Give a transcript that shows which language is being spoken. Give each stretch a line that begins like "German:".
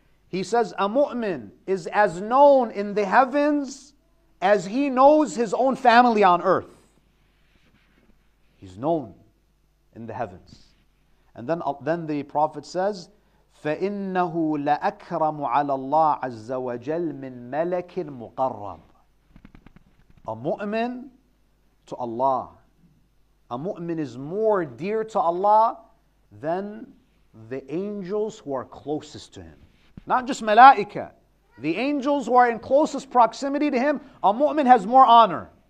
English: He says, a mu'min is as known in the heavens as he knows his own family on earth. He's known in the heavens. And then the Prophet says,
Arabic: فَإِنَّهُ لَأَكْرَمُ عَلَى اللَّهِ عَزَّ وَجَلْ مِنْ مَلَكٍ مُقَرَّبٍ.
English: A mu'min to Allah. A mu'min is more dear to Allah than the angels who are closest to Him. Not just malaika, The angels who are in closest proximity to him, a mu'min has more honor.